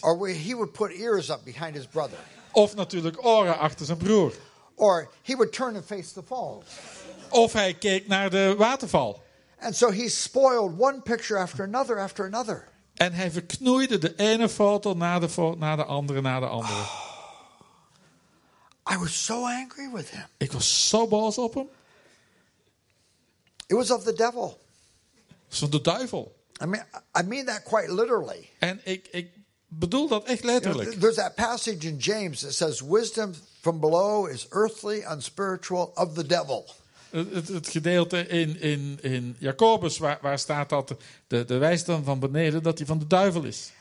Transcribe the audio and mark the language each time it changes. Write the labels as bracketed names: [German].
[English] Or he would put ears up behind his brother. [Dutch] Of natuurlijk oren achter zijn broer. [English] Or he would turn and face the falls. [Dutch] Of hij keek naar de waterval. [English] And so he spoiled one picture after another. [Dutch] En hij verknoeide de ene foto na de andere. [English] I was so angry with him. [Dutch] Ik was zo boos op hem. [English] It was of the devil. [Dutch] Het was van de duivel. [English] I mean that quite literally. [Dutch] En ik bedoel dat echt letterlijk. [English] There's that passage in James that says wisdom from below is earthly, unspiritual, of the devil. [Dutch] Het gedeelte in Jacobus, waar staat dat de wijsdom van beneden, dat die van de duivel is.